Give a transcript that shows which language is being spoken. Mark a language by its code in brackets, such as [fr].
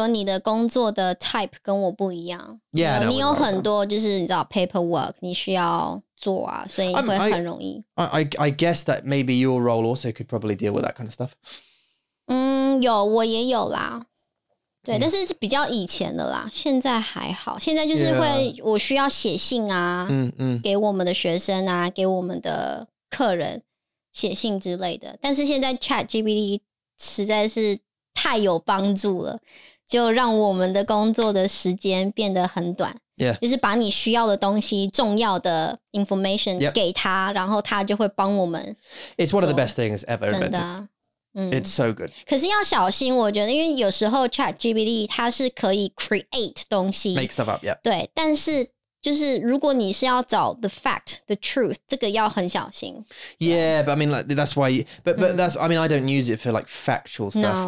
[zh] 对啊,所以我就是说你的工作的type跟我不一样. [en] Yeah, [zh] no, 你有很多就是你知道 paperwork, 你需要...做啊, [en] I guess that maybe your role also could probably deal with that kind of stuff. [zh] 嗯,有,我也有啦。对,但是是比较以前的啦,现在还好。现在就是会,我需要写信啊,给我们的学生啊,给我们的客人写信之类的。但是现在 ChatGPT实在是太有帮助了,就让我们的工作的时间变得很短。 [en] Yeah. [zh] 就是把你需要的东西,重要的 information yep. 给他, 然后他就会帮我们。 [en] It's one of the best things ever invented. It's so good. [zh] 可是要小心, 我觉得, 因为有时候 ChatGPT 它是可以 create 东西。 [en] Make stuff up, yeah. [zh] 对, 但是就是如果你是要找 [en] the fact, the truth, [zh] 这个要很小心。 [en] Yeah, but I mean, like, that's why, but that's, I mean, I don't use it for like factual stuff.